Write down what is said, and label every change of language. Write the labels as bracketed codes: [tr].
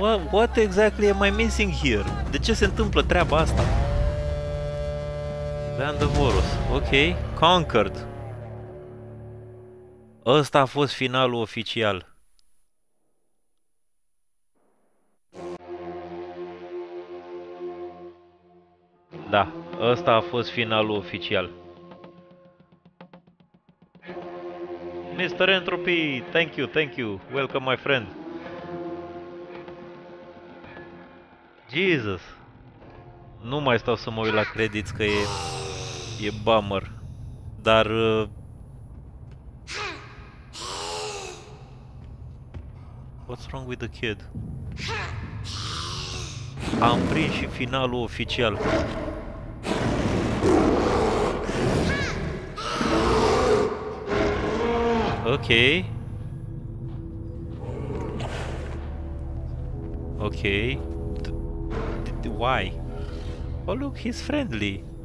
[en] What exactly am I missing here? [ro] De ce se întâmplă treaba asta? [en] Vandavorus, ok, conquered. [ro] Ăsta a fost finalul oficial. Da, ăsta a fost finalul oficial. [en] Mr. Entropy, thank you, thank you. Welcome, my friend. Jesus. [ro] Nu mai stau să mă uit la credits că e bummer. Dar [en] what's wrong with the kid? [ro] Am prins și finalul oficial. [en] Ok. Ok. Why? Oh, look, he's friendly.